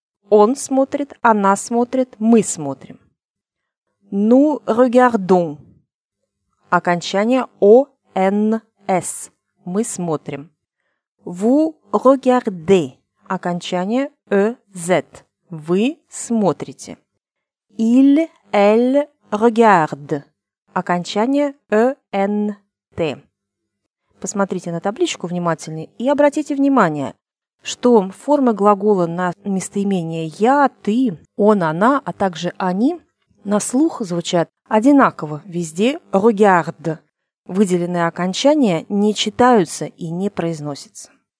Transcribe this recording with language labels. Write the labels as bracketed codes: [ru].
[ru] Он смотрит, она смотрит, мы смотрим. [fr] Nous regardons. [ru] Окончание ons. Мы смотрим. [fr] Vous regardez. [ru] Окончание ez. Вы смотрите. [fr] Il, elle regarde. [ru] Окончание [fr] ent. [ru] посмотрите на табличку внимательнее и обратите внимание, что формы глагола на местоимение «я», «ты», «он», «она», а также «они» на слух звучат одинаково везде «regard». Выделенные окончания не читаются и не произносятся.